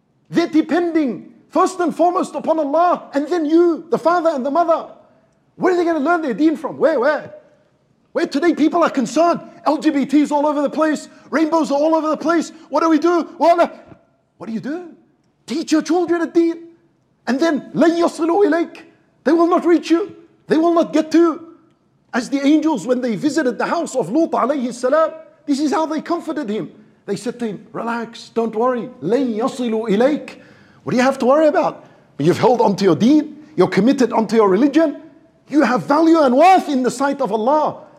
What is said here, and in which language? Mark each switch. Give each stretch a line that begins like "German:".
English: They're depending first and foremost upon Allah and then you, the father and the mother. Where are they going to learn their deen from? Where? Where today people are concerned? LGBT is all over the place. Rainbows are all over the place. What do we do? What do you do? Teach your children a deen. And then,
Arabic: لَنْ يَصِلُوا إِلَيْكَ.
English: They will not reach you. They will not get to you. As the angels, when they visited the house of Lut alayhi salam, this is how they comforted him. They said to him, relax, don't worry.
Arabic: لَنْ يَصِلُوا إِلَيْكَ.
English: What do you have to worry about? You've held onto your deen, you're committed onto your religion, you have value and worth in the sight of Allah.